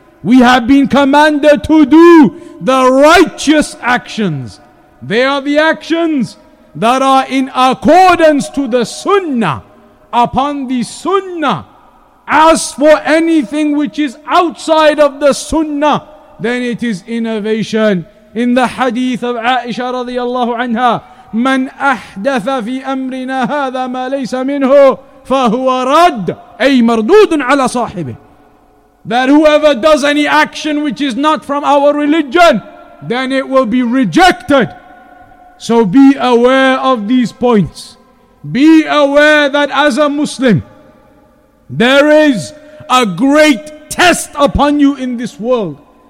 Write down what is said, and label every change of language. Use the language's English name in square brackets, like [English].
[English] We have been commanded to do the righteous actions. They are the actions that are in accordance to the sunnah, upon the sunnah. As for anything which is outside of the sunnah, then it is innovation. In the hadith of Aisha radiallahu anha, [Arabic] من أحدث في أمرنا هذا ما ليس منه فهو رد, أي مردود على صاحبه. [English] That whoever does any action which is not from our religion, then it will be rejected. So be aware of these points. Be aware that as a Muslim, there is a great test upon you in this world.